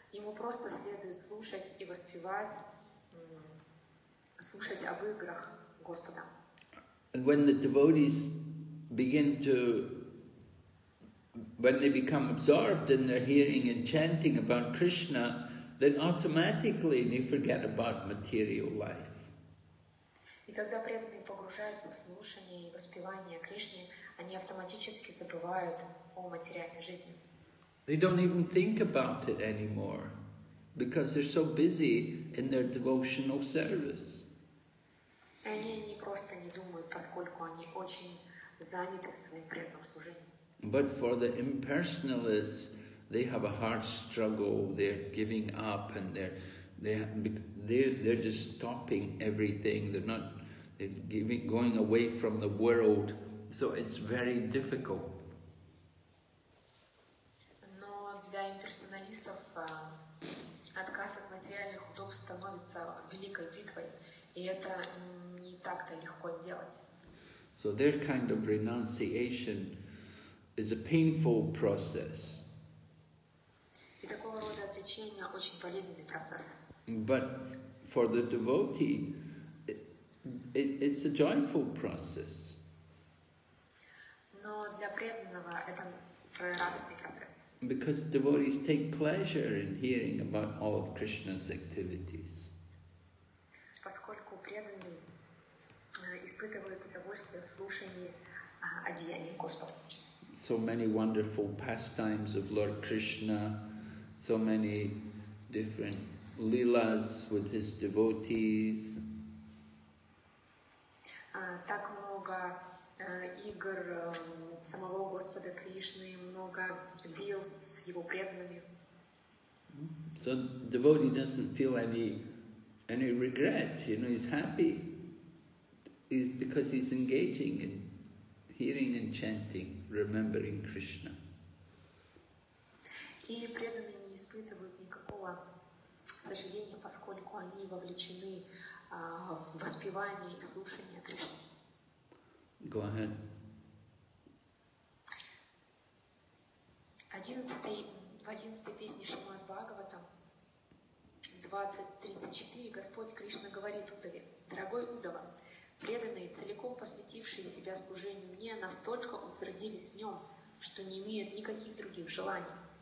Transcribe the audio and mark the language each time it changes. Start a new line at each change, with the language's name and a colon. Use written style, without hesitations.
Russian: Ему просто следует слушать и воспевать, слушать об играх Господа.
English: And when the devotees begin to, when they become absorbed in their hearing and chanting about Krishna, then automatically they forget about material life.
Russian: И когда преданные погружаются в слушание и воспевание Кришны, они автоматически забывают о материальной жизни.
English: They don't even think about it anymore, because they're so busy in their devotional service.
Russian: Они не просто не думают, поскольку они очень заняты в своем преданном служении.
English: But for the impersonalists, they have a hard struggle. They're giving up, and they're just stopping everything. Going away from the world, so it's very difficult.
Russian: Но для имперсоналистов отказ от материальных удобств становится великой битвой, и это не так-то легко сделать.
English: So their kind of renunciation is a painful process.
Russian: И такого рода отречение очень болезненный процесс.
English: But for the devotee, it's a joyful process.
Russian: Но для преданного это радостный процесс.
English: Because devotees take pleasure in hearing about all of Krishna's activities.
Russian: Поскольку преданные испытывают удовольствие в слушании о деяниях Господа.
English: So many wonderful pastimes of Lord Krishna, so many different lilas with his devotees.
Russian: Так много игр самого Господа Кришны, много лил с его преданными.
English: So devotee doesn't feel any regret, you know, he's happy. It's because he's engaging in hearing and chanting, remembering Krishna.
Russian: И преданные не испытывают никакого сожаления, поскольку они вовлечены в воспевание и слушание Кришны.
English: Go ahead.
Russian: 11 песни Шримад Бхагаватам, 20-34, Господь Кришна говорит Удаве: «Дорогой Удава, преданные, целиком посвятившие себя служению мне, настолько утвердились в нем, что не имеют никаких других желаний.